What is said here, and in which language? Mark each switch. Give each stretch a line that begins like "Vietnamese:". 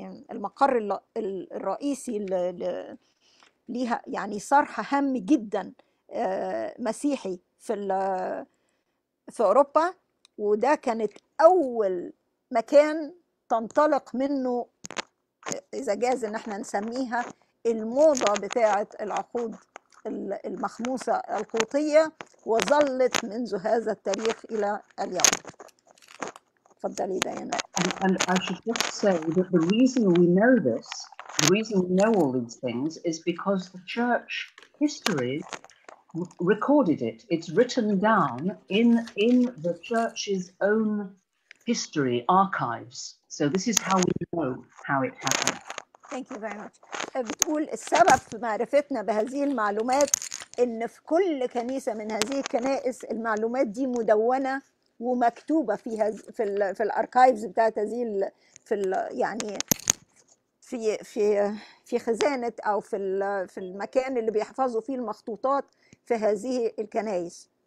Arabic: المقر الرئيسي ليها، يعني صرح هام جدا مسيحي في اوروبا، وده كانت اول مكان تنطلق منه، اذا جاز ان احنا نسميها الموضة بتاعت العقود المخموسة القوطية وظلت منذ هذا التاريخ إلى اليوم. تفضلي ديانا.
English: And I should just say that the reason we know this, the reason we know all these things is because the church history recorded it. It's written down in the church's own history archives. So this is how we know how it happened. Thank you very much.
Arabic: بتقول السبب في معرفتنا بهذه المعلومات ان في كل كنيسة من هذه الكنائس المعلومات دي مدونة ومكتوبة في في الاركايفز بتاعت هذه في يعني في في في خزانة او في المكان اللي بيحفظوا فيه المخطوطات في هذه الكنائس.